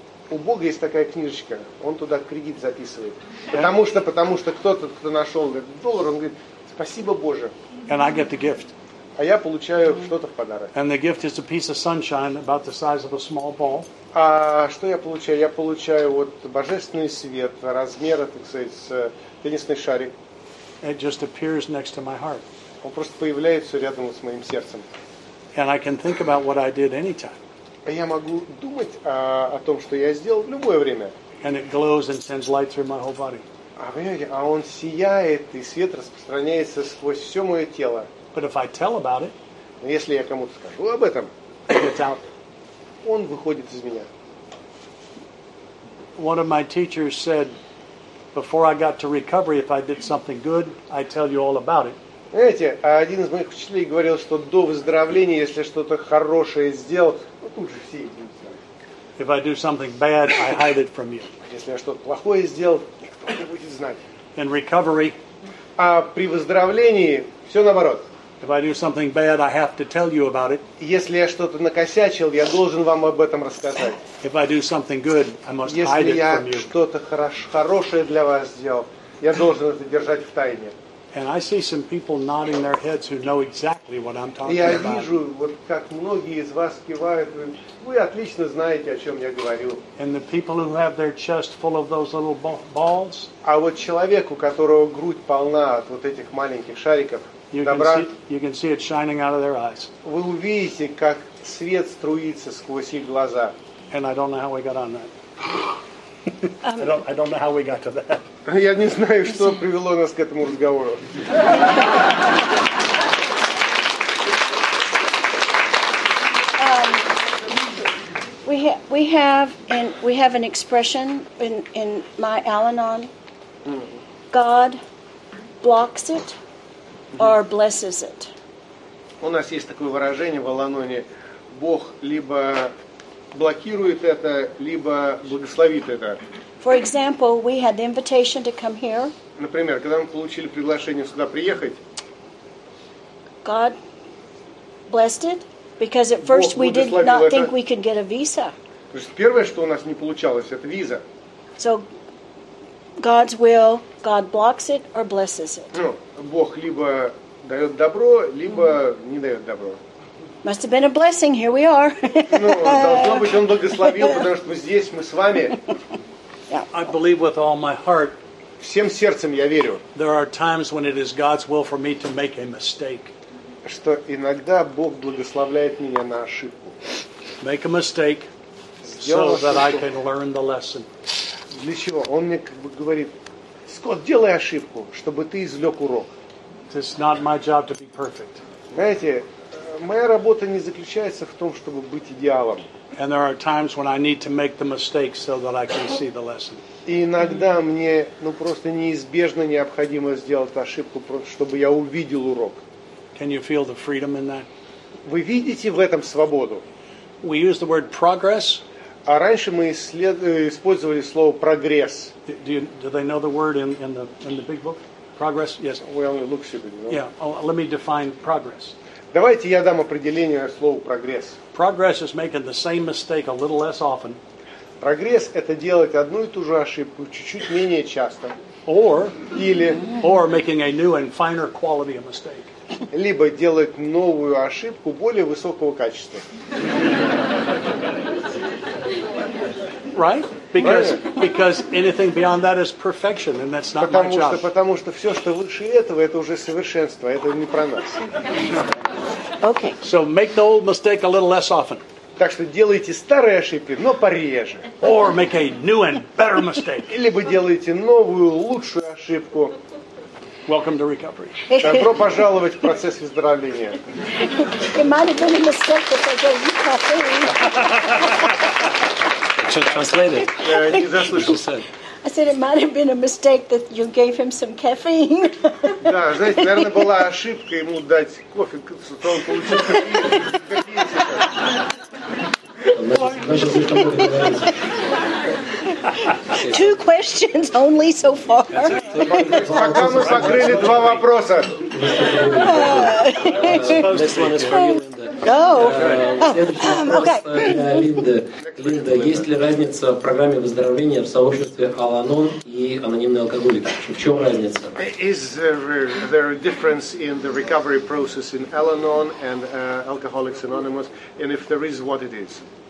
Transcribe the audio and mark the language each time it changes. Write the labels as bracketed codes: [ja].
[ru] У Бога есть такая книжечка. Он туда кредит записывает. Потому что кто-то, кто нашел доллар, он говорит, "Спасибо, Боже." [en] And I get the gift. [ru] А я получаю что-то в подарок. [en] And the gift is a piece of sunshine about the size of a small ball. [ru] А что я получаю? Я получаю вот божественный свет размера, так сказать, с теннисный шарик. [en] It just appears next to my heart. [ru] Он просто появляется рядом вот с моим сердцем. [en] And I can think about what I did anytime. [ru] А я могу думать о том, что я сделал в любое время. [en] And it glows and sends light through my whole body. [ru] А он сияет, и свет распространяется сквозь все мое тело. [en] But if I tell about it, [ru] если я кому-то скажу об этом, он выходит из меня. [en] One of my teachers said, before I got to recovery, if I did something good, I'd tell you all about it. [ru] Знаете, один из моих учителей говорил, что до выздоровления, если что-то хорошее сделал, ну тут же все идут. [en] If I do something bad, I hide it from you. [ru] Если я что-то плохое сделал, никто не будет знать. [en] In recovery, [ru] а при выздоровлении все наоборот. [en] If I do something bad, I have to tell you about it. [ru] Если я что-то накосячил, я должен вам об этом рассказать. [en] If I do something good, I must hide it from you. [ru] Если я что-то хорошее для вас сделал, я должен это держать в тайне. [en] And I see some people nodding their heads who know exactly what I'm talking about. [ru] Я вижу, вот как многие из вас кивают, вы отлично знаете, о чем я говорю. [en] And the people who have their chest full of those little balls. [ru] А вот человек, у которого грудь полна от вот этих маленьких шариков, [en] you can see it shining out of their eyes. [ru] Вы увидите, как свет струится сквозь их глаза. [en] And I don't know how we got on that. I don't know how we got to that. [ru] Я не знаю, что привело нас к этому разговору. [en] We have an expression in my Al-Anon. God blocks it or blesses it. [ru] У нас есть такое выражение в Аланоне: Бог либо блокирует это, либо благословит это. [en] For example, we had the invitation to come here. [ru] Например, когда мы получили приглашение сюда приехать, [en] God blessed it because at first we did not think we could get a visa. [ru] То есть первое, что у нас не получалось, это виза. [en] So God's will, God blocks it or blesses it. [ru] Ну, Бог либо дает добро, либо не дает добро. [en] Must have been a blessing. Here we are. [ru] Ну, должно быть, он благословил, потому что мы здесь, мы с вами. [en] I believe with all my heart. [ru] Всем сердцем я верю. [en] There are times when it is God's will for me to make a mistake. [ru] Что иногда Бог благословляет меня на ошибку. [en] Make a mistake so that I can learn the lesson. [ru] Для чего? Он мне как бы говорит: Скотт, делай ошибку, чтобы ты извлек урок. [en] It's not my job to be perfect. [ru] Знаете, моя работа не заключается в том, чтобы быть идеалом. [en] And there are times when I need to make the mistake so that I can see the lesson. [ru] И иногда мне, ну просто неизбежно необходимо сделать ошибку, чтобы я увидел урок. [en] Can you feel the freedom in that? [ru] Вы видите в этом свободу? [en] We use the word progress. [ru] А раньше мы использовали слово прогресс. [en] Do they know the word in the big book? Progress? Yes. We only look stupid. Yeah. Oh, let me define progress. [ru] Давайте я дам определение слову прогресс. [en] Progress is making the same mistake a little less often. [ru] Прогресс – это делать одну и ту же ошибку чуть-чуть менее часто. [en] Or making a new and finer quality of mistake. [ru] Либо делать новую ошибку более высокого качества. [en] Right? Because anything beyond that is perfection, and that's not my job. [ru] Потому что все, что выше этого, это уже совершенство, это не про нас. [en] Okay. So make the old mistake a little less often. [ru] Так что делайте старые ошибки, но пореже. [en] Or make a new and better mistake. [ru] Или бы делайте новую лучшую ошибку. [en] Welcome to recovery. [ru] Добро пожаловать в процесс выздоровления. [en] It might have been a mistake that they gave you coffee. Should translate it. That's what she said. I said it might have been a mistake that you gave him some caffeine. [ru] Да, знаете, наверное, была ошибка ему дать кофе, что он получил кофе. [en] Two questions only so far. [ru] Пока мы закрыли два вопроса. [en] This one is for you, Linda. Go. [ru] Линда, есть ли разница в программе выздоровления в сообществе Аланон и анонимный алкоголик? В чем разница? [en] Is there a difference in the recovery process in Al-Anon and Alcoholics Anonymous, and if there is, what it is?